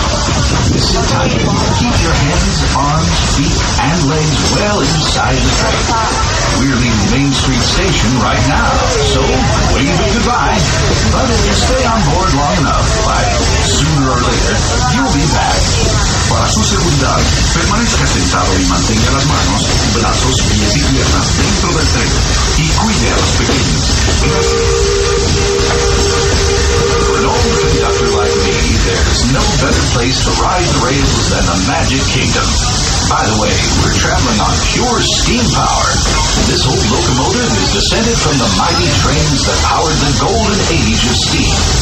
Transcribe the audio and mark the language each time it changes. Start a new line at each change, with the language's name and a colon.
English: This is tight. Keep your hands, arms, feet, and legs well inside the train. We're leaving Main Street Station right now, so wave goodbye. But if you stay on board long enough, by sooner or later, you'll be back.
Spanish: Para su seguridad, permanezca sentado y mantenga las manos, brazos, pies y piernas dentro del tren. Y cuide a los pequeños.
English: For an old conductor like me, there's no better place to ride the rails than the Magic Kingdom. By the way, we're traveling on pure steam power. This old locomotive is descended from the mighty trains that powered the golden age of steam.